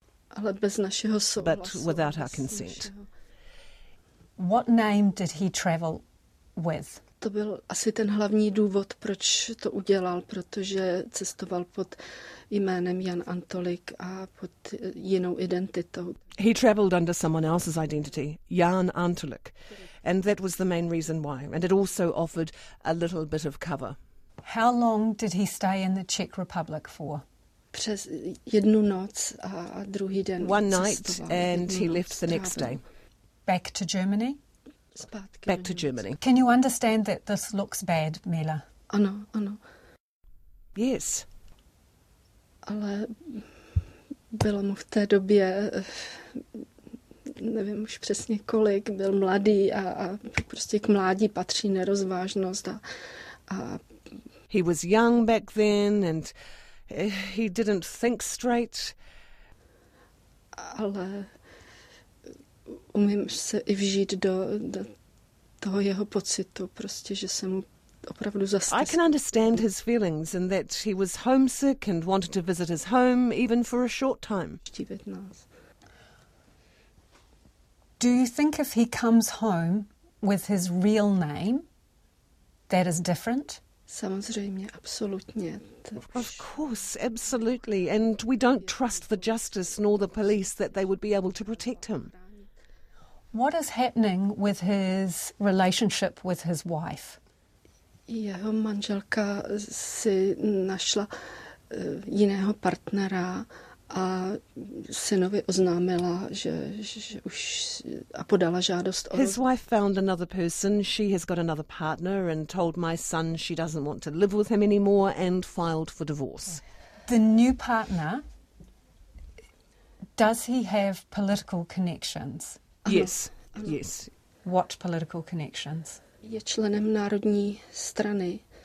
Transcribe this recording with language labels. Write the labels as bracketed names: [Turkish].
[Czech] Ale bez našeho souhlasu. [English] But without our consent. What name did he travel with? [Czech] To byl asi ten hlavní důvod, proč to udělal, protože cestoval pod jménem Jan Antolik a pod jinou identitou. [English] He traveled under someone else's identity, Jan Antolik, and that was the main reason why, and it also offered a little bit of cover. How long did he stay in the Czech Republic for? [Czech] Přes jednu noc a druhý den cestoval. [English] One night and he left the next day. Back to Germany? [Czech] zpátky [English] back to Germany. Can you understand that this looks bad, Mela? [Czech] Ano, ano. [English] Yes. [Czech] Ale bylo mu v té době, nevím už přesně kolik, byl mladý a prostě k mládí patří nerozvážnost a [English] he was young back then and he didn't think straight. [Czech] Ale umím se i vžít do toho jeho pocitu, prostě, že se mu opravdu zastesl. [English] I can understand his feelings and that he was homesick and wanted to visit his home even for a short time. Do you think if he comes home with his real name, that is different? [Czech] Samozřejmě, absolutně. [English] Of course, absolutely. And we don't trust the justice nor the police that they would be able to protect him. What is happening with his relationship with his wife? [Czech] Jeho manželka si našla jiného partnera a synovi oznámila, že už a podala žádost o. [English] His wife found another person. She has got another partner and told my son she doesn't want to live with him anymore and filed for divorce. The new partner, does he have political connections? Yes. [Czech] Ano. [English] Yes. What political connections? [Czech] Je členem národní strany.